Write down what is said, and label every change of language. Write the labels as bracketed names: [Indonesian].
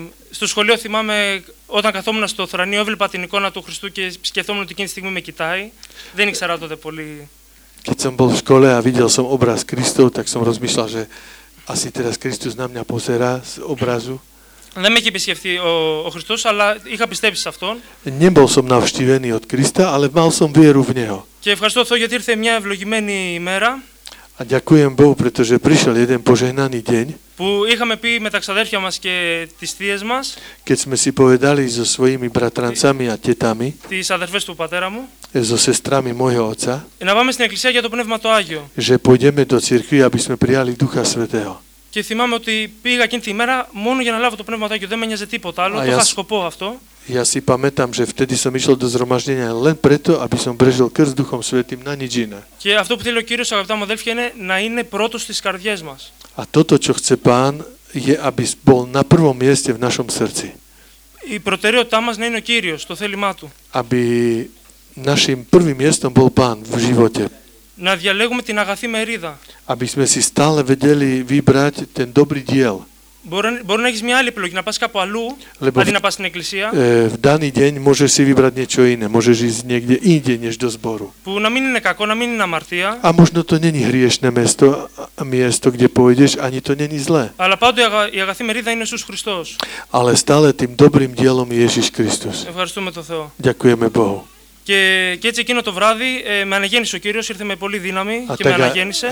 [Greek] Στο σχολείο θυμάμαι όταν καθόμουν στο θρανείο, έβλεπα την εικόνα του Χριστού και σκεφτόμουν ότι εκείνη τη στιγμή με κοιτάει. Δεν ήξερα τότε πολύ. [Slovak] Keď som bol v škole a videl som obraz Kristov, tak som rozmýšľal, že asi teraz Kristus na mňa pozerá z obrazu. [Greek] Δεν με είχε επισκεφθεί ο Χριστός, αλλά είχα πιστέψει σε αυτόν. [Slovak] Nebol som navštívený od Krista, ale mal som vieru v Neho. [Greek] Και ευχαριστώ Θεό, γιατί ήρθε μια ευλογημένη ημέρα. [Slovak] A ďakujem Bohu, pretože prišiel jeden požehnaný deň. [Greek] Που είχαμε πει με τα ξαδέρφια μας και τις θείες μας. [Slovak] Keď sme si povedali so svojimi bratrancami a tetami. [Greek] Τις αδερφές του πατέρα μου. [Slovak] So sestrami môjho otca. [Greek] Να πάμε στην εκκλησία για το Πνεύμα το Άγιο. [Slovak] Že pôjdeme do cirkvi, aby sme prijali Ducha Svätého. [Greek] Και θυμάμαι ότι πήγα εκείνη τη μέρα μόνο για να λάβω το Πνεύμα το Άγιο. Δεν με νοιάζε τίποτα άλλο. Το είχα σκοπό αυτό. [Slovak] Ja si pamätám, že vtedy som išiel do zhromaždenia len preto, aby som prežil krst Duchom Svätým, na nič iné. [Greek] Και αυτό που θέλει ο Κύριος, αγαπητά μου αδέλφια, είναι να είναι πρώτος στις καρδιές μας. [Slovak] A toto, čo chce Pán, je, aby bol na prvom mieste v našom srdci. [Greek] Η προτεραιότητά μας να είναι ο Κύριος, το θέλημά Του. [Slovak] Aby našim prvým miestom bol Pán v živote. [Greek] Να διαλέγουμε την αγαθή μερίδα. [Slovak] Aby sme si stále vedeli vybrať ten dobrý diel. [Greek] Μπορεί να έχεις μια άλλη επιλογή, να πας κάπου αλλού, αντί να πας στην εκκλησία. [Slovak] V daný deň môžeš si vybrať niečo iné, môžeš ísť niekde inde, než do zboru. [Greek] Που να μην είναι κακό, να μην είναι αμαρτία. [Slovak] A možno to není hriešné miesto, kde pôjdeš, ani to není zlé. [Greek] Αλλά πάντα η αγαθή μερίδα είναι Ιησούς Χριστός. [Slovak] Ale stále tým dobrým dielom je Ježiš Kristus. [Greek] Ευχαριστούμε το Θεό. [Slovak] Ďakujeme Bohu. [Greek] Και έτσι εκείνο το βράδυ με αναγέννησε ο Κύριος, ήρθε με πολύ δύναμη και με αναγέννησε.